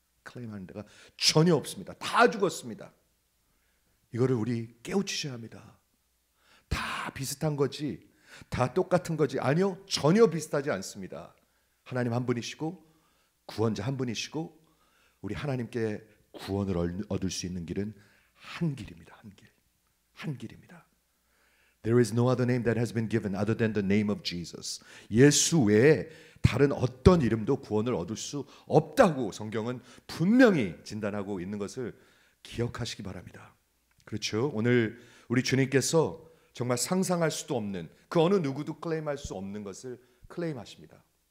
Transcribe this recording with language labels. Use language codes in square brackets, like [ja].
[ko] 클레임하는 데가 전혀 없습니다. 다 죽었습니다. 이거를 우리 깨우치셔야 합니다. 다 비슷한 거지, 다 똑같은 거지. 아니요, 전혀 비슷하지 않습니다. 하나님 한 분이시고 구원자 한 분이시고 우리 하나님께 구원을 얻을 수 있는 길은 한 길입니다. 한 길. 한 길입니다. [en] There is no other name that has been given other than the name of Jesus. [ko] 예수 외에 다른 어떤 이름도 구원을 얻을 수 없다고 성경은 분명히 진단하고 있는 것을 기억하시기 바랍니다. 그렇죠? 오늘 우리 주님께서 정말 상상할 수도 없는 그 어느 누구도 클레임할 수 없는 것을 클레임하십니다.